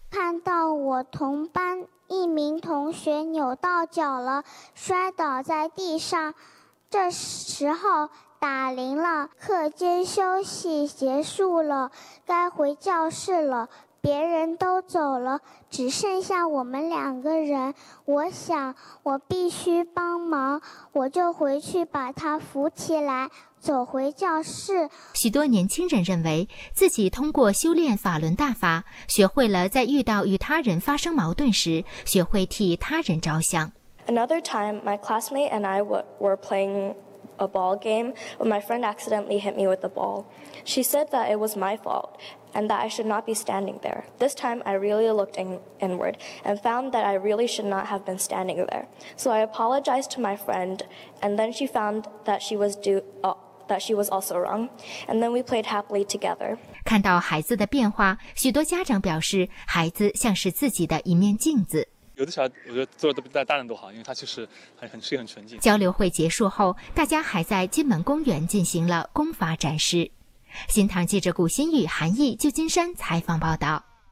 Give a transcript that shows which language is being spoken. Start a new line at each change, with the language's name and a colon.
Chinese: 看到我同班一名同学扭到脚了，摔倒在地上，这时候打铃了，课间休息结束了，该回教室了，别人都走了，只剩下我们两个人，我想我必须帮忙，我就回去把他扶起来走回教室。许多年轻人认为自己通过修炼法轮大法，学会了在遇到与他人发生矛盾时学会替他人着想。
English: Another time, my classmate and I were playing a ball game when my friend accidentally hit me with the ball. She said that it was my faultand that I should not be standing there. This time, I really looked inward and found that I really should not have been standing there. So I apologized to my friend, and then she found that she was also wrong. And then we played happily together.
Chinese: 看到孩子的变化，许多家长表示，孩子像是自己的一面镜子。有的小孩我觉得做的比大人都好，因为他就是很纯净。交流会结束后，大家还在金门公园进行了功法展示。新唐记者古新宇、韩毅、旧金山采访报道。